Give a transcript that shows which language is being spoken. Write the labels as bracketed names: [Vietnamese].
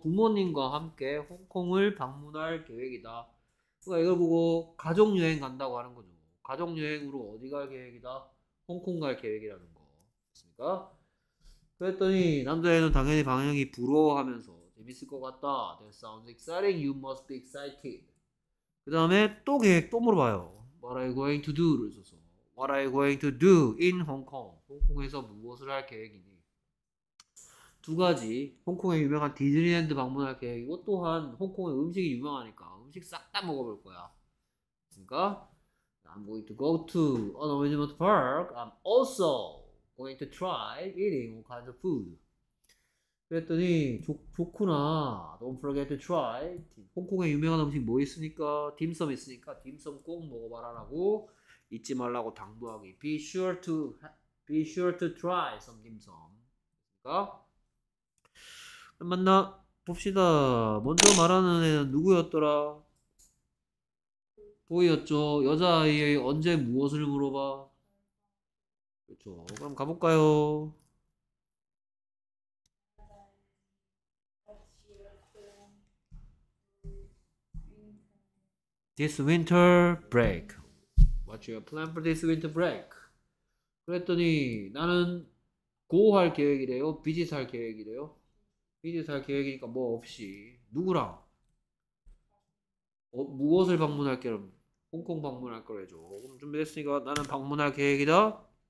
[Korean] 부모님과 함께 홍콩을 방문할 계획이다. 그러니까 이걸 보고 가족 여행 간다고 하는 거죠. 가족 여행으로 어디 갈 계획이다? 홍콩 갈 계획이라는 거 있습니까? 그랬더니 남자애는 당연히 방향이 부러워하면서 재밌을 것 같다. [English] That sounds exciting. You must be excited. [Korean] 그 다음에 또 계획 또 물어봐요. [English] What are you going to do?를 써서 What are you going to do in Hong Kong? [Korean] 홍콩에서 무엇을 할 계획이니? 두 가지. 홍콩의 유명한 디즈니랜드 방문할 계획이고 또한 홍콩의 음식이 유명하니까 음식 싹 다 먹어볼 거야. 그러니까 [English] I'm going to go to an amusement park. I'm also going to try eating all kinds of food. [Korean] 그랬더니 좋구나. [English] Don't forget to try. [Korean] 홍콩에 유명한 음식 뭐 있으니까 딤섬 있으니까 딤섬 꼭 먹어봐라라고 잊지 말라고 당부하기. [English] Be sure to try some dim sum. [Korean] 그러니까 만나 봅시다. 먼저 말하는 애는 누구였더라? 보이였죠. 여자아이의 언제 무엇을 물어봐? 그렇죠. 그럼 가볼까요? [English] 'What's your plan for this winter break?' [Korean] 그랬더니 나는 고할 계획이래요. 비지스 할 계획이래요. 비지스 할 계획이니까 뭐 없이 누구랑 무엇을 방문할 겸 홍콩 방문할 거래 줘. 그럼 준비됐으니까 나는 방문할 계획이다.